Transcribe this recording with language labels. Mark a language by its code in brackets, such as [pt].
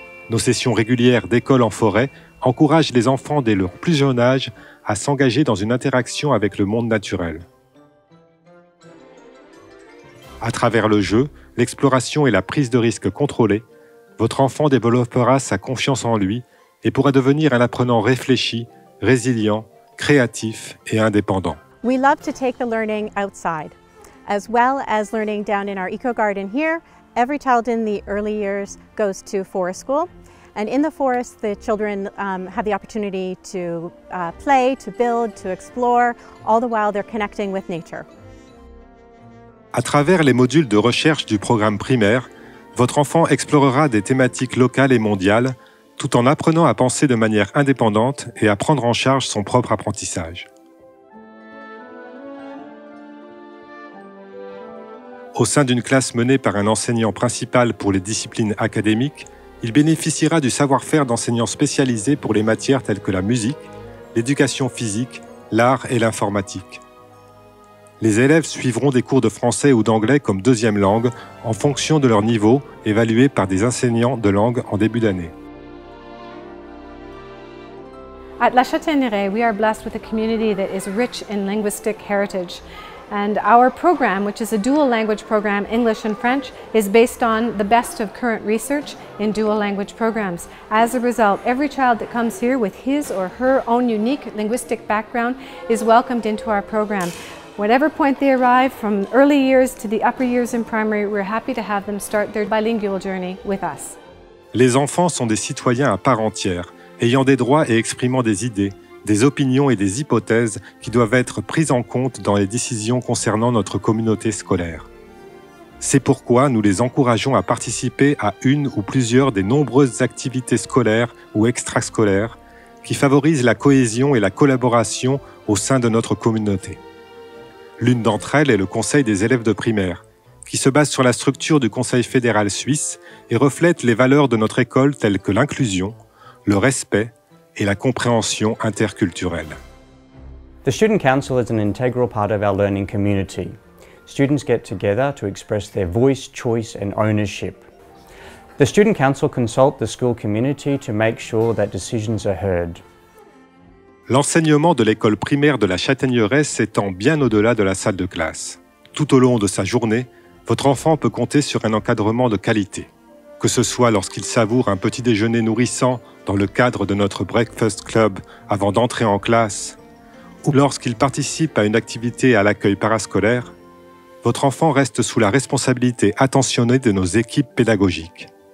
[fr] Nos sessions régulières d'école en forêt encouragent les enfants dès leur plus jeune âge à s'engager dans une interaction avec le monde naturel. À travers le jeu, l'exploration et la prise de risque contrôlée, votre enfant développera sa confiance en lui et pourra devenir un apprenant réfléchi, résilient, créatif et indépendant. [en] We love to take the learning outside, as well as learning down in our eco garden here. Every child in the early years goes to forest school, and in the forest, the children have the opportunity to play, to build, to explore. All the while, they're connecting with nature. [fr] À travers les modules de recherche du programme primaire, votre enfant explorera des thématiques locales et mondiales, tout en apprenant à penser de manière indépendante et à prendre en charge son propre apprentissage. Au sein d'une classe menée par un enseignant principal pour les disciplines académiques, il bénéficiera du savoir-faire d'enseignants spécialisés pour les matières telles que la musique, l'éducation physique, l'art et l'informatique. Les élèves suivront des cours de français ou d'anglais comme deuxième langue en fonction de leur niveau, évalué par des enseignants de langue en début d'année. [en] At La Châtaigneraie, we are blessed with a community that is rich in linguistic heritage. And our program, which is a dual language program, English and French, is based on the best of current research in dual language programs. As a result, every child that comes here with his or her own unique linguistic background is welcomed into our program. Whatever point they arrive, from early years to the upper years in primary, we're happy to have them start their bilingual journey with us. [fr] Les enfants sont des citoyens à part entière, ayant des droits et exprimant des idées, des opinions et des hypothèses qui doivent être prises en compte dans les décisions concernant notre communauté scolaire. C'est pourquoi nous les encourageons à participer à une ou plusieurs des nombreuses activités scolaires ou extrascolaires qui favorisent la cohésion et la collaboration au sein de notre communauté. L'une d'entre elles est le Conseil des élèves de primaire, qui se base sur la structure du Conseil fédéral suisse et reflète les valeurs de notre école telles que l'inclusion, le respect et la compréhension interculturelle. [en] The Student Council is an integral part of our learning community. Students get together to express their voice, choice and ownership. The Student Council consult the school community to make sure that decisions are heard. [fr] L'enseignement de l'école primaire de la Châtaigneraie s'étend bien au-delà de la salle de classe. Tout au long de sa journée, votre enfant peut compter sur un encadrement de qualité. Que ce soit lorsqu'il savoure un petit déjeuner nourrissant dans le cadre de notre breakfast club avant d'entrer en classe, ou lorsqu'il participe à une activité à l'accueil parascolaire, votre enfant reste sous la responsabilité attentionnée de nos équipes pédagogiques.